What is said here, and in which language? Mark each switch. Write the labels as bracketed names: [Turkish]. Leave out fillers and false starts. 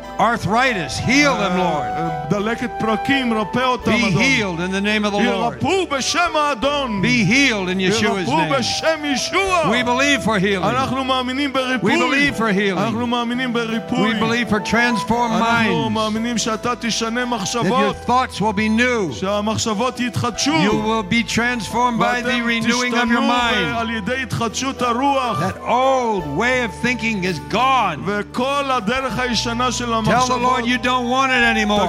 [English] Arthritis, heal them, Lord. [Hebrew] דלקת פרקים, רפא אותם, [English] אדון. Be healed in the name of the Lord. [Hebrew] ירפאו בשם האדון. [English] Be healed in Yeshua's name. [Hebrew] ירפאו בשם ישוע. [English] We believe for healing. [Hebrew] אנחנו מאמינים בריפוי. [English] We believe for healing. [Hebrew] אנחנו מאמינים בריפוי. [English] We believe for transformed minds. [Hebrew] אנחנו מאמינים שאתה תשנה מחשבות. [English] That your thoughts will be new. [Hebrew] שהמחשבות יתחדשו. [English] You will be transformed by the renewing of your mind. [Hebrew] ועל ידי התחדשות הרוח. [English] That old way of thinking is gone. [Hebrew] וכל הדרך הישנה של [English] Tell the Lord you don't want it anymore.